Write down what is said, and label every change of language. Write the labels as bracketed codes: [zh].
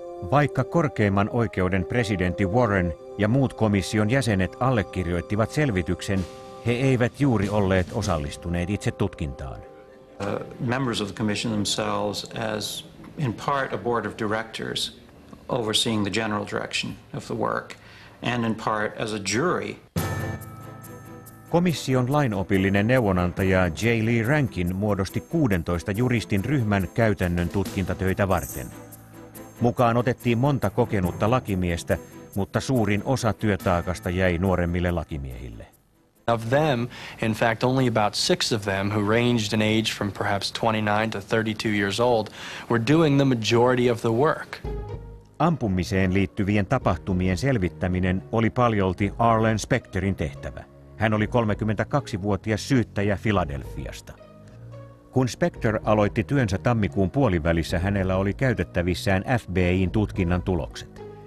[fi] Vaikka korkeimman oikeuden presidentti Warren ja muut komission jäsenet allekirjoittivat selvityksen, he eivät juuri olleet osallistuneet itse tutkintaan. [en] Members of the commission themselves, as in part a board of directors overseeing the general direction of the work, and in part as a jury. [fi] Komission lainopillinen neuvonantaja J. Lee Rankin muodosti 16 juristin ryhmän käytännön tutkintatöitä varten. Mukaan otettiin monta kokenutta lakimiestä, mutta suurin osa työtaakasta jäi nuoremmille lakimiehille. [en] Of them, in fact, only about 6 of them, who ranged in age from perhaps 29 to 32 years old, were doing the majority of the work. [fi] Ampumiseen liittyvien tapahtumien selvittäminen oli paljolti Arlen Specterin tehtävä. Hän oli 32-vuotias syyttäjä Philadelphiasta. Kun Specter aloitti työnsä tammikuun puolivälissä, hänellä oli käytettävissään FBI:n tutkinnan tulokset.